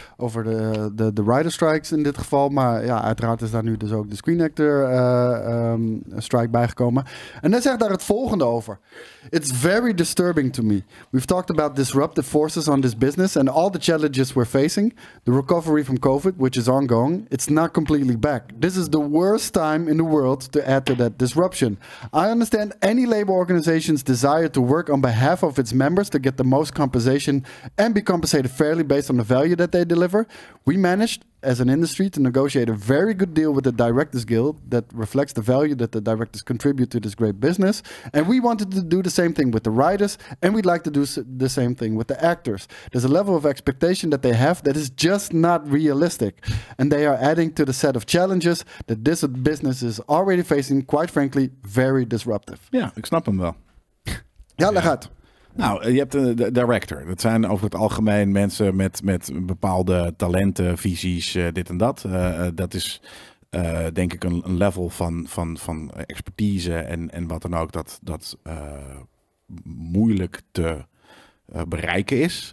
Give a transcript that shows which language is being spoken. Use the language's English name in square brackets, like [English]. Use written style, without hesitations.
[Dutch] Over de writer strikes in dit geval. Maar ja, uiteraard is daar nu dus ook de Screen Actor strike bijgekomen. En hij zegt daar het volgende over. [English] It's very disturbing to me. We've talked about disruptive forces on this business and all the challenges we're facing. The recovery from COVID, which is ongoing, it's not completely back. This is the worst time in the world to add to that disruption. I understand any labor organization's desire to work on behalf of its members to get the most compensation and be compensated fairly based on the value that they deliver. We managed as an industry to negotiate a very good deal with the Directors Guild that reflects the value that the directors contribute to this great business. And we wanted to do the same thing with the writers, and we'd like to do the same thing with the actors. There's a level of expectation that they have that is just not realistic. And they are adding to the set of challenges that this business is already facing, quite frankly, very disruptive. [Dutch] Yeah, ik snap hem wel. Ja, leg uit. Nou, je hebt een director. Dat zijn over het algemeen mensen met bepaalde talenten, visies, dit en dat. Dat is denk ik een level van expertise en wat dan ook dat moeilijk te bereiken is.